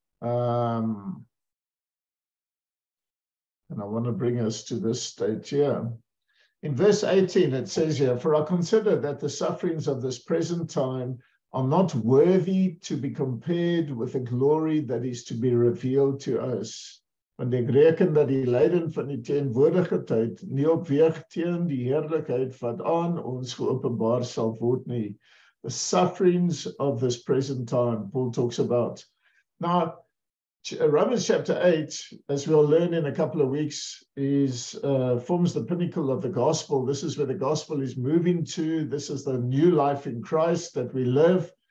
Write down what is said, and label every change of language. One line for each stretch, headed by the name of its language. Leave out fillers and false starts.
English: And I want to bring us to this state here. In verse 18, it says here, "For I consider that the sufferings of this present time are not worthy to be compared with the glory that is to be revealed to us."
Afrikaans: Want ek reken dat die lyding van die teenwoordigheid nie opweeg teen die heerlikheid wat aan ons geopenbaar sal word nie.
English: the sufferings of this present time, Paul talks about. Now, Romans chapter 8, as we'll learn in a couple of weeks, forms the pinnacle of the gospel. This is where the gospel is moving to. This is the new life in Christ that we live.